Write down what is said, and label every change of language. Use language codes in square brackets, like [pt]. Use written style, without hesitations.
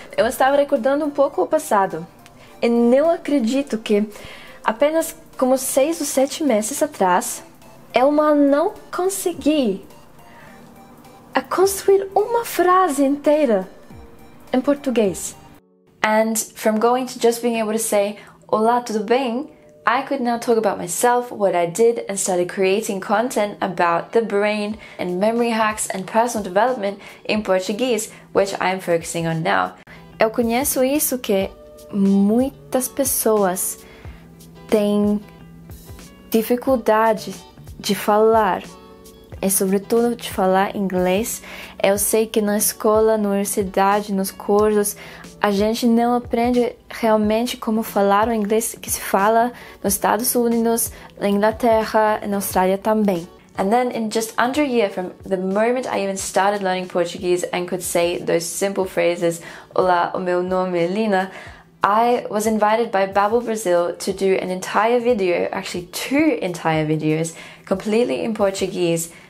[pt] Eu estava recordando um pouco o passado, e não acredito que apenas como 6 ou 7 meses atrás, eu não consegui construir uma frase inteira em português. [en] And from going to just being able to say, [pt] olá, tudo bem? [en] I could now talk about myself, what I did, and started creating content about the brain and memory hacks and personal development in Portuguese, which I am focusing on now. [pt] Eu conheço isso que muitas pessoas têm dificuldade de falar, e sobretudo de falar inglês. Eu sei que na escola, na universidade, nos cursos, a gente não aprende realmente como falar o inglês que se fala nos Estados Unidos, na Inglaterra e na Austrália também. [en] And then in just under a year from the moment I even started learning Portuguese and could say those simple phrases, [pt] olá, o meu nome é Lina, [en] I was invited by Babbel Brazil to do an entire video, actually two entire videos, completely in Portuguese.